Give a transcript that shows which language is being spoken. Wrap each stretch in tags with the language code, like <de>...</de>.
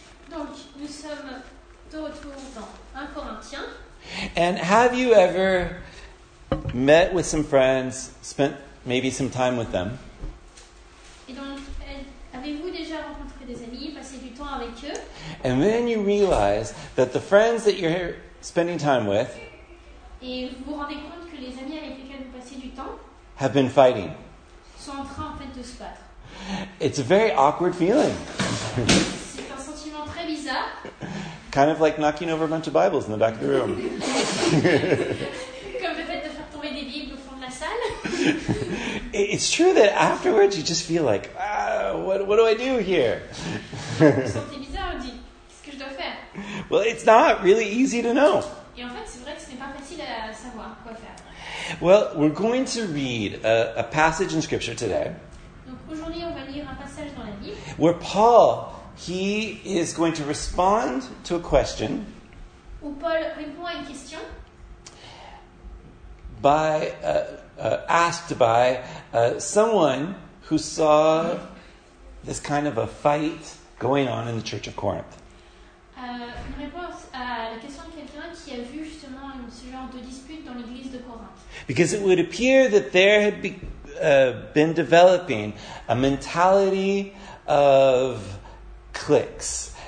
<fr>Donc, nous sommes de retour dans 1 Corinthiens.</fr> <en>And have you ever met with some friends, spent maybe some time with them?</en> <fr>Et donc, avez-vous déjà rencontré des amis, passé du temps avec eux?</fr> <en>And then you realize that the friends that you're spending time with</en> <fr>et vous vous rendez compte que les amis avec lesquels vous passez du temps</fr> <en>have been fighting.</en> <fr>Sont en train, en fait, de se battre.</fr> <en>It's a very awkward feeling.</en> <fr>C'est un sentiment très bizarre.</fr> <en>Kind of like knocking over a bunch of Bibles in the back of the room.</en> <fr>Comme le fait de faire tomber des Bibles au fond de la salle.</fr> <en>It's true that afterwards you just feel like, what do I do here?</en> <fr>Vous sentez bizarre, on dit, qu'est-ce que je dois faire?</fr> <en>Well, it's not really easy to know.</en> <fr>Et en fait, c'est vrai que ce n'est pas facile à savoir quoi faire.</fr> <en>Well, we're going to read a passage in Scripture today.</en> <fr>Donc aujourd'hui, on va lire un passage dans la Bible.</fr> <en>Where Paul, he is going to respond to a question.</en> <fr>Où Paul répond à une question.</fr> <en>By asked by someone who saw this kind of a fight going on in the Church of Corinth.</en> <fr>Une réponse à la question de quelqu'un qui a vu justement ce genre de dispute dans l'église de Corinth.</fr> <en>Because it would appear that there had been developing a mentality of cliques.</en>